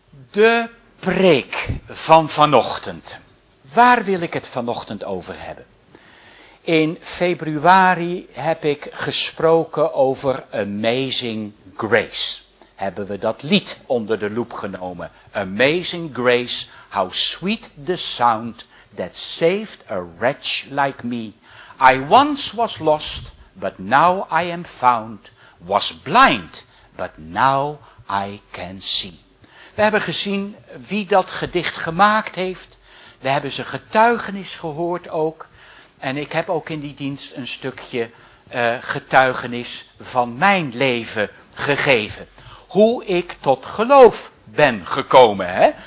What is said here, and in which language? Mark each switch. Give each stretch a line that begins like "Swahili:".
Dutch: De preek van vanochtend. Waar wil ik het vanochtend over hebben? In februari heb ik gesproken over Amazing Grace. Hebben we dat lied onder de loep genomen.
English: Amazing Grace, how sweet the sound that saved a wretch like me. I once was lost, but now I am found. Was blind, but now I can see.
Dutch: We hebben gezien wie dat gedicht gemaakt heeft. We hebben zijn getuigenis gehoord ook. En ik heb ook in die dienst een stukje getuigenis van mijn leven gegeven. Hoe ik tot geloof ben gekomen, hè?